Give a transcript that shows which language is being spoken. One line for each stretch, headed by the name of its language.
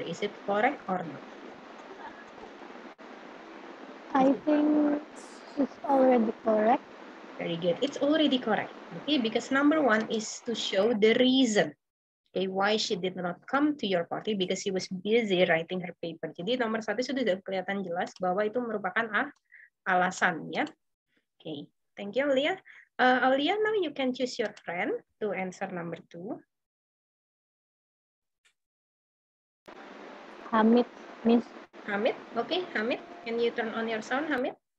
English: Is it correct or not? I think it's already correct. Very good. It's already correct. Okay. Because number one is to show the reason. Okay, why she did not come to your party because she was busy writing her paper.
Indonesian: Jadi nomor satu sudah kelihatan jelas bahwa itu merupakan alasan, ya.
English: Okay, thank you, Aulia. Aulia, now you can choose your friend to answer number two. Hamid, Miss. Hamid, okay, Hamid, can you turn on your sound, Hamid?